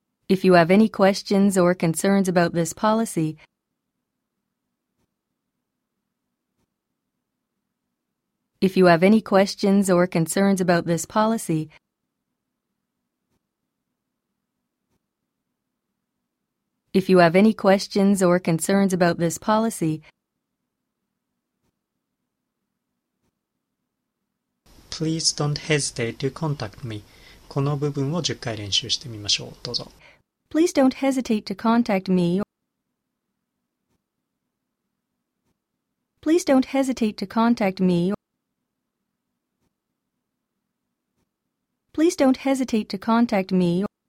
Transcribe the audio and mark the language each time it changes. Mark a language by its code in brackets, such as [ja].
[en] if you have any questions or concerns about this policy, if you have any questions or concerns about this policy,If you have any questions or concerns about this policy, please don't hesitate to contact me. [ja] この部分を10回練習してみましょう。どうぞ。 [en] Please don't hesitate to contact me. Please don't hesitate to contact me. Please don't hesitate to contact me.